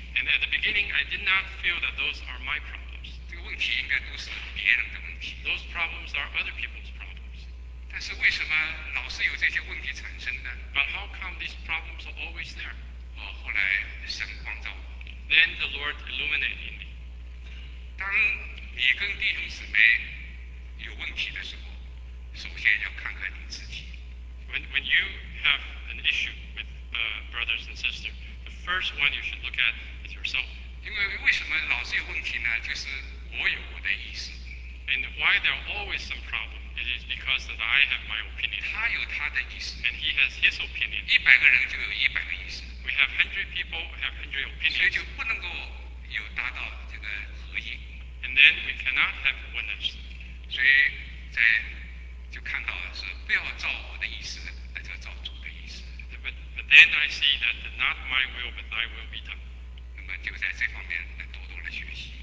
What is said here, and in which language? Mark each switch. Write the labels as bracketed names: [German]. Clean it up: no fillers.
[English] And at the beginning, I did not feel that those are my problems. [Chinese] 这个问题应该都是别人的问题。 [English] Those problems are other people's problems. [Chinese] 但是为什么老是有这些问题产生呢？ [English] But how come these problems are always there? [Chinese] 哦，后来神光照我。 [English] Then the Lord illuminated me. [Chinese] 当你跟弟兄姊妹有问题的时候，首先要看看你自己。 [English] When you have an issue with brothers and sisters, the first one you should look at is yourself. [Chinese] 因为为什么老是有问题呢？就是我有我的意思。 [English] And why there are always some problems? It is because that I have my opinion. [Chinese] 他有他的意思。 [English] And he has his opinion. [Chinese] 一百个人就有一百个意思。 [English] We have 100 people have 100 opinions. [Chinese] 所以就不能够有达到这个。 [English] And then we cannot have oneness. [Chinese] 所以在就看到的是不要照我的意思，那叫照主的意思。 [English] But then I see that not my will but thy will be done. [Chinese] 那么就在这方面来多多来学习。